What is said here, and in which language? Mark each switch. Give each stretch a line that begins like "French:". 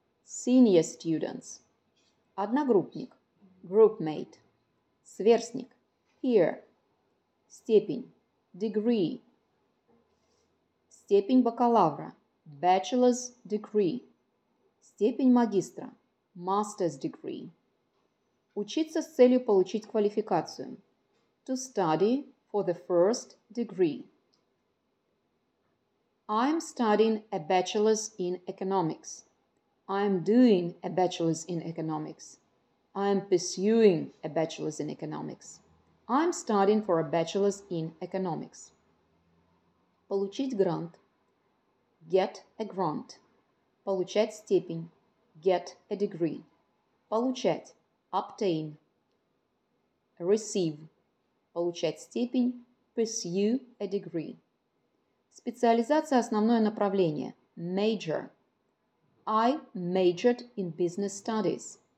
English: Senior students. Одногруппник. Groupmate. Сверстник. Peer. Степень. Degree.
Russian: Степень бакалавра.
English: Bachelor's degree.
Russian: Степень магистра.
English: Master's degree.
Russian: Учиться с целью получить квалификацию.
English: To study for the first degree. I'm studying a bachelor's in economics. I'm doing a bachelor's in economics. I'm pursuing a bachelor's in economics. I'm studying for a bachelor's in economics.
Russian: Получить грант.
English: Get a grant.
Russian: Получать степень.
English: Get a degree. Получать. Obtain. Receive.
Russian: Получать степень.
English: Pursue a degree.
Russian: Специализация – основное направление.
English: Major. I majored in business studies.